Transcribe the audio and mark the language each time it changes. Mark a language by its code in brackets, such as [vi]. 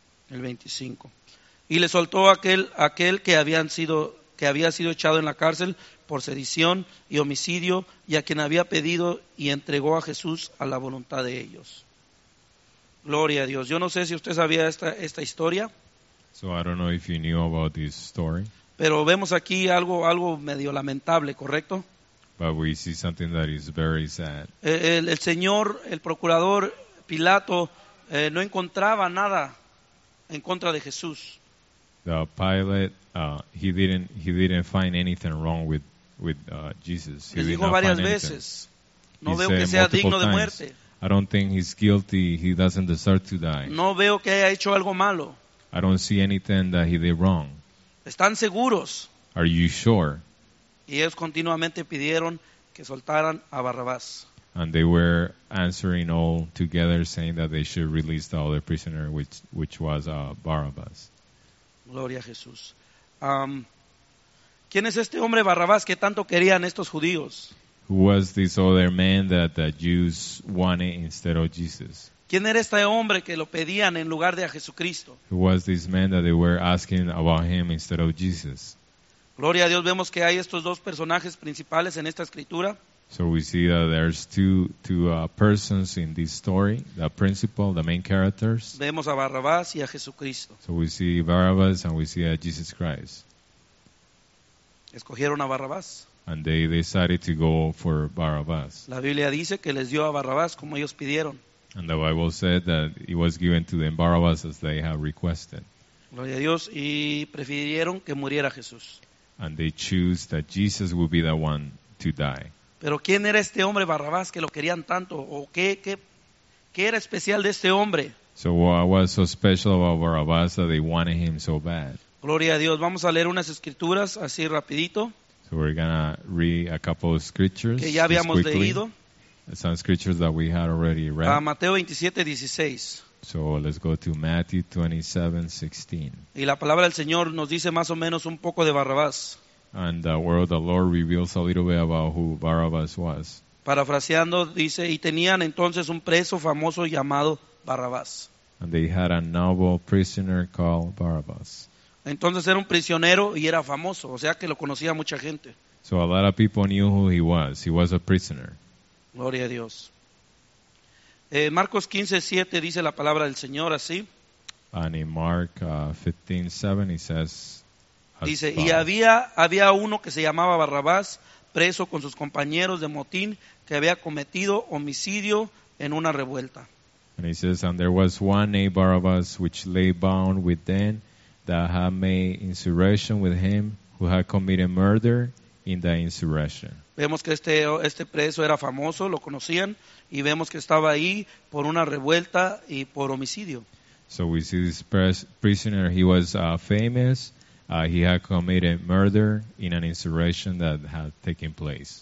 [es] El 25. Y le soltó aquel que había sido echado en la cárcel por sedición y homicidio, y a quien había pedido, y entregó a Jesús a la voluntad de ellos. Gloria a Dios. Yo no sé si usted sabía esta historia. [en] So I don't know if you knew about this story. [es] Pero vemos aquí algo medio lamentable, ¿correcto? [en] But we see something that is very sad. [es] El procurador Pilato no encontraba nada en contra de Jesús. [en] The Pilate he didn't find anything wrong with Jesus. [es] Le dijo varias veces, no veo que sea digno de muerte. [en] I don't think he's guilty. He doesn't deserve to die. [es] No veo que haya hecho algo malo. [en] I don't see anything that he did wrong. [es] ¿Están seguros? [en] Are you sure? [es] Y ellos continuamente pidieron que soltaran a Barrabás. [en] And they were answering all together saying that they should release the other prisoner which was Barrabás. [es] Gloria a Jesús. ¿Quién es este hombre Barrabás que tanto querían estos judíos? [en] Who was this other man that the Jews wanted instead of Jesus? [es] ¿Quién era este hombre que lo pedían en lugar de a Jesucristo? [en] Who was this man that they were asking about him instead of Jesus? [es] Gloria a Dios, vemos que hay estos dos personajes principales en esta escritura. [en] So we see that there's two persons in this story, the principal, the main characters. [es] Vemos a Barrabás y a Jesucristo. [en] So we see Barrabás and we see a Jesus Christ. [es] Escogieron a Barrabás. [en] And they decided to go for Barrabás. [es] La Biblia dice que les dio a Barrabás como ellos pidieron. [en] And the Bible said that it was given to them Barrabás as they had requested. [es] Gloria a Dios, y prefirieron que muriera Jesús. [en] And they chose that Jesus would be the one to die. [es] Pero ¿quién era este hombre Barrabás que lo querían tanto? ¿O qué era especial de este hombre? [en] So what was so special about Barabbas that they wanted him so bad? [es] Gloria a Dios. Vamos a leer unas escrituras así rapidito. [en] So we're going to read a couple of scriptures. [es] Que ya habíamos leído. [en] Some scriptures that we had already read. [es] Mateo 27, 16. [en] So let's go to Matthew 27, 16. [es] Y la palabra del Señor nos dice más o menos un poco de Barrabás. [en] And the word of the Lord reveals a little bit about who Barabbas was. [es] Parafraseando, dice, y tenían entonces un preso famoso llamado Barrabás. [en] And they had a noble prisoner called Barabbas. [es] Entonces era un prisionero y era famoso, o sea que lo conocía mucha gente. [en] So a lot of people knew who he was. He was a prisoner. [es] Gloria a Dios. Marcos 15:7 dice la palabra del Señor así. [en] And in Mark 15:7 he says, [es] dice, y había uno que se llamaba Barrabás, preso con sus compañeros de motín, que había cometido homicidio en una revuelta. [en] And he says, and there was one named Barabbas, which lay bound with them, that had made insurrection with him, who had committed murder in the insurrection. [es] Vemos que este preso era famoso, lo conocían, y vemos que estaba ahí por una revuelta y por homicidio. [en] So we see this prisoner, he was famous. He had committed murder in an insurrection that had taken place.